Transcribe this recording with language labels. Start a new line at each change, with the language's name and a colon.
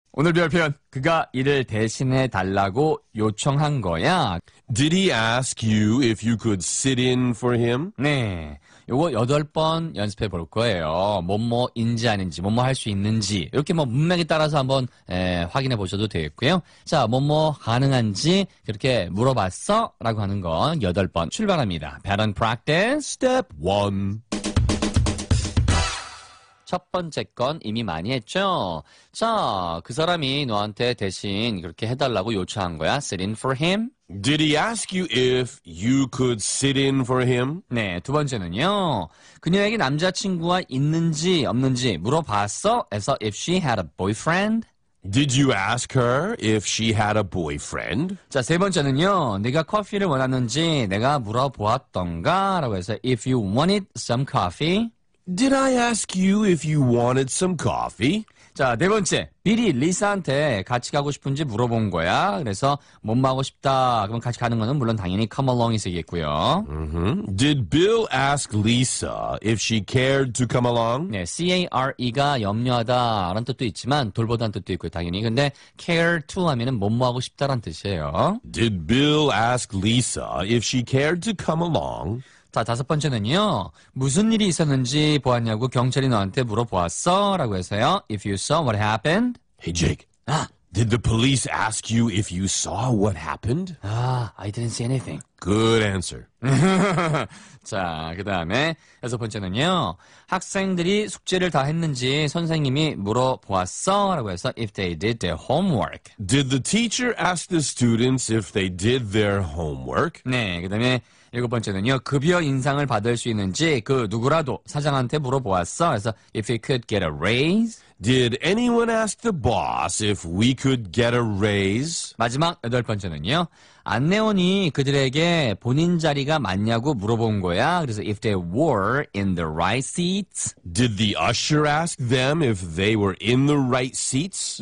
Korean: 오늘 배울 표현, 그가 이를 대신해 달라고 요청한 거야.
English: Did he ask you if you could sit in for him?
Korean: 네, 요거 8번 연습해 볼 거예요. 뭐뭐인지 아닌지, 뭐뭐 할 수 있는지 이렇게 뭐 문맥에 따라서 한번 확인해 보셔도 되겠고요. 자, 뭐뭐 가능한지 그렇게 물어봤어? 라고 하는 건 8번 출발합니다.
English: Pattern practice step 1.
Korean: 첫 번째 건 이미 많이 했죠? 자, 그 사람이 너한테 대신 그렇게 해달라고 요청한 거야.
English: Sit in for him. Did he ask you if you could sit in for him?
Korean: 네, 두 번째는요. 그녀에게 남자친구가 있는지 없는지 물어봤어? 에서
English: if she had a boyfriend. Did you ask her if she had a boyfriend?
Korean: 자, 세 번째는요. 네가 커피를 원하는지 내가 물어보았던가? 라고 해서
English: if you wanted some coffee. Did I ask you if you wanted some coffee?
Korean: 자, 네 번째. 빌이 리사한테 같이 가고 싶은지 물어본 거야. 그래서 뭐뭐 하고 싶다. 그럼 같이 가는 거는 물론 당연히 come along이 쓰이겠고요.
English: Mm-hmm. Did Bill ask Lisa if she cared to come along?
Korean: 네, care가 염려하다라는 뜻도 있지만 돌보다는 뜻도 있고요. 당연히. 근데 care to 하면은 뭐뭐 하고 싶다라는 뜻이에요.
English: Did Bill ask Lisa if she cared to come along?
Korean: 자, 다섯 번째는요. 무슨 일이 있었는지 보았냐고 경찰이 너한테 물어보았어? 라고 해서요.
English: If you saw what happened? Hey, Jake. 아. Did the police ask you if you saw what happened? I didn't see anything. Good answer.
Korean: 자, 그 다음에 여섯 번째는요. 학생들이 숙제를 다 했는지 선생님이 물어보았어? 라고 해서
English: if they did their homework. Did the teacher ask the students if they did their homework?
Korean: 네, 그 다음에 일곱 번째는요. 급여 인상을 받을 수 있는지 그 누구라도 사장한테 물어보았어? 그래서
English: if he could get a raise? Did anyone ask the boss if we could get a raise?
Korean: 마지막 여덟 번째는요. 안내원이 그들에게 본인 자리가 맞냐고 물어본 거야. 그래서
English: if they were in the right seats? Did the usher ask them if they were in the right seats?